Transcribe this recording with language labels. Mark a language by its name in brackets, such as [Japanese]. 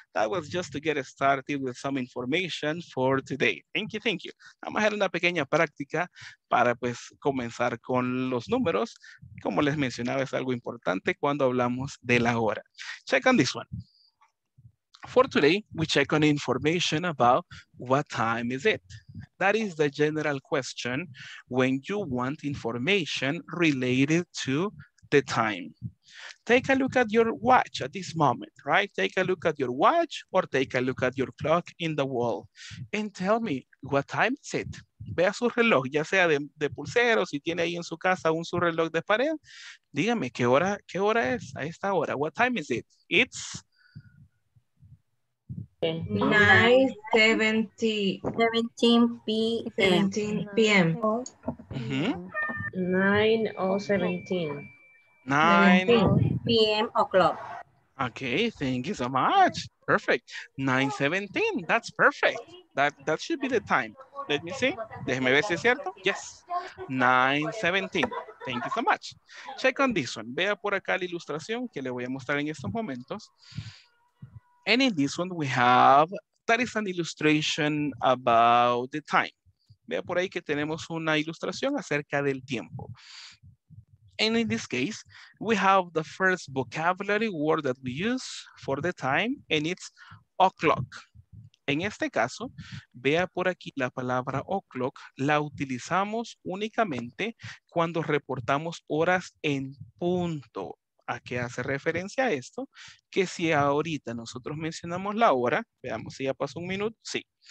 [English] That was just to get started with some information for today. Thank you. [Spanish] Vamos a hacer una pequeña práctica para pues comenzar con los números. Como les mencionaba, es algo importante cuando hablamos de la hora. [English] Check on this one. For today, we check on information about what time is it? That is the general question when you want information related to the time. Take a look at your watch at this moment, right? Take a look at your watch or take a look at your clock in the wall and tell me what time is it? [Spanish] Vea su reloj, ya sea de pulsero, si tiene ahí en su casa aún su reloj de pared. Dígame, ¿qué hora es a esta hora? [English] What time is it? It's 9:17 p.m. 9:17 p.m. Okay, thank you so much. Perfect. 9:17. That's perfect. That should be the time. Let me see. [Spanish] Déjeme ver si es cierto. [English] Yes. 9:17. Thank you so much. Check on this one. [Spanish] Vea por acá la ilustración que le voy a mostrar en estos momentos. [English] And in this one, we have, that is an illustration about the time. [Spanish] Vea por ahí que tenemos una ilustración acerca del tiempo. [English] And in this case, we have the first vocabulary word that we use for the time, and it's o'clock. [Spanish] En este caso, vea por aquí la palabra o'clock, la utilizamos únicamente cuando reportamos horas en punto. ¿A qué hace referencia a esto? Que si ahorita nosotros mencionamos la hora, veamos si ya pasó un minuto, sí.